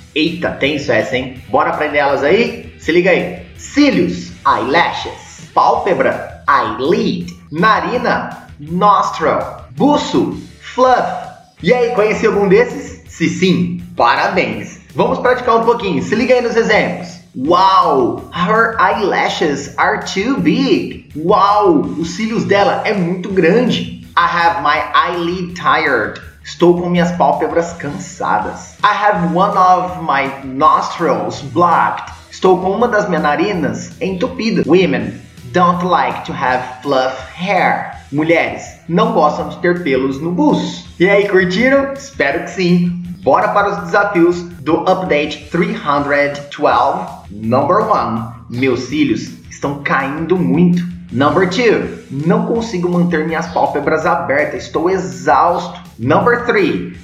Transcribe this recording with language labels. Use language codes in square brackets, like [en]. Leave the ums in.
[pt] Eita, tenso essa, hein? Bora aprender elas aí? Se liga aí. Cílios, eyelashes. Pálpebra, eyelid. Narina, nostril. Buço, fluff. E aí, conheceu algum desses? Se sim, parabéns! Vamos praticar um pouquinho, se liga aí nos exemplos. [en] Uau, her eyelashes are too big. [pt] Uau, os cílios dela é muito grande. [en] I have my eyelid tired. [pt] Estou com minhas pálpebras cansadas. [en] I have one of my nostrils blocked. [pt] Estou com uma das minhas narinas entupida. [en] Women don't like to have fluff hair. [pt] Mulheres não gostam de ter pelos no buço. E aí, curtiram? Espero que sim. Bora para os desafios do Update 312, Number 1. Meus cílios estão caindo muito. Number 2. Não consigo manter minhas pálpebras abertas, estou exausto. Number 3.